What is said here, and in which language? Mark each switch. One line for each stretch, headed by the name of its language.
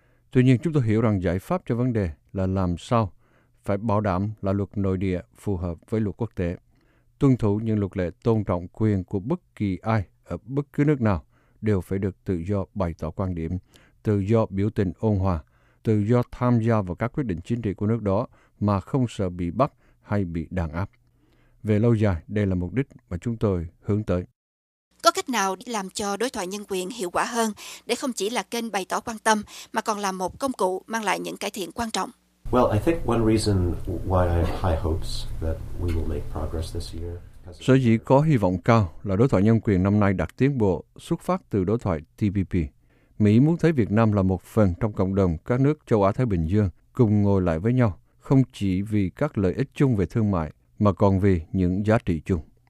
Vietnamese: Tuy nhiên, chúng tôi hiểu rằng giải pháp cho vấn đề là làm sao phải bảo đảm là luật nội địa phù hợp với luật quốc tế, tuân thủ những luật lệ tôn trọng quyền của bất kỳ ai ở bất cứ nước nào đều phải được tự do bày tỏ quan điểm, tự do biểu tình ôn hòa, tự do tham gia vào các quyết định chính trị của nước đó mà không sợ bị bắt hay bị đàn áp. Về lâu dài, đây là mục đích mà chúng tôi hướng tới. Có cách nào để làm cho đối thoại nhân quyền hiệu quả hơn để không chỉ là kênh bày tỏ quan tâm mà còn là một công cụ mang lại những cải thiện quan trọng?
English: Well, I think one reason why I have high hopes that we will make progress this year.
Vietnamese: Sở dĩ có hy vọng cao là đối thoại nhân quyền năm nay đạt tiến bộ xuất phát từ đối thoại TPP. Mỹ muốn thấy Việt Nam là một phần trong cộng đồng các nước châu Á-Thái Bình Dương cùng ngồi lại với nhau, không chỉ vì các lợi ích chung về thương mại, mà còn vì những giá trị chung.